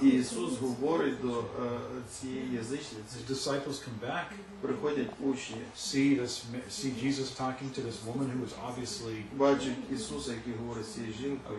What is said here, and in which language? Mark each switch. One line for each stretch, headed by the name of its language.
Ukrainian: Ісус говорить до цієї язичниці.
English: His disciples come back.
Ukrainian: Приходять учні.
English: See Jesus talking to this woman who was obviously
Ukrainian: бачить Ісуса, який говорить з цією жінкою.